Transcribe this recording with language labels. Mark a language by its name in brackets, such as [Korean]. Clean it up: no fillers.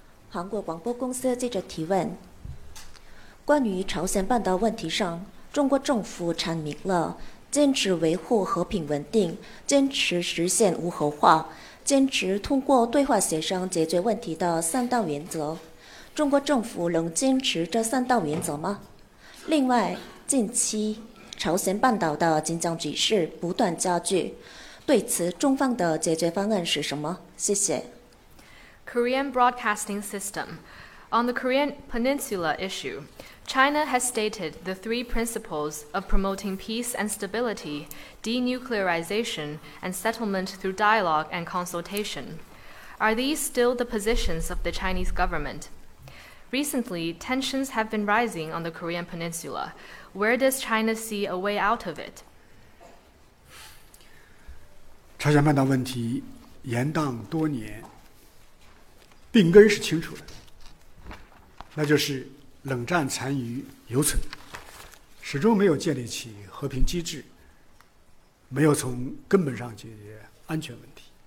[Chinese] 韩国广播公司记者提问，关于朝鲜半岛问题上，中国政府阐明了坚持维护和平稳定，坚持实现无核化，坚持通过对话协商解决问题的三大原则，中国政府能坚持这三大原则吗？另外，近期朝鲜半岛的紧张局势不断加剧，对此中方的解决方案是什么？谢谢。 [English] Korean Broadcasting System. On the Korean Peninsula issue, China has stated the three principles of promoting peace and stability, denuclearization, and settlement through dialogue and consultation. Are these still the positions of the Chinese government? Recently, tensions have been rising on the Korean Peninsula. Where does China see a way out of it? [Chinese] 朝鲜半岛问题延宕多年，病根是清楚的，那就是冷战残余犹存，始终没有建立起和平机制，没有从根本上解决安全问题。